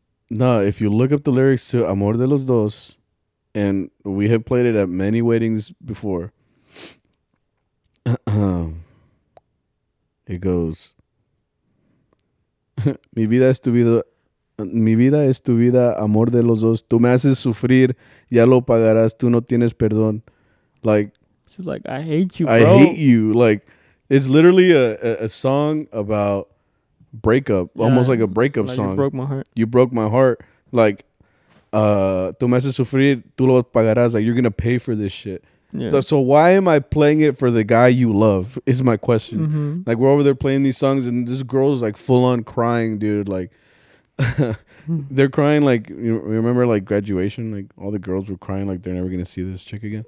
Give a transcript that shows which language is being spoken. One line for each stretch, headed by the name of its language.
English: No, if you look up the lyrics to Amor de los Dos, and we have played it at many weddings before, it goes,
Spanish: mi vida es tu vida, amor de los dos, tú me haces sufrir, ya lo pagarás, tú no tienes perdón.
English: Like, she's like, I hate you, bro. I hate you. Like, it's literally a song about breakup, almost like a breakup song. You broke my heart. You broke my heart. Like,
Spanish: tú me haces sufrir, tú lo pagarás.
English: Like, you're going to pay for this shit. Yeah. So why am I playing it for the guy you love is my question. Mm-hmm. Like, we're over there playing these songs, and this girl is, like, full on crying, dude. Like, they're crying like, you remember like graduation, like all the girls were crying like they're never gonna see this chick again.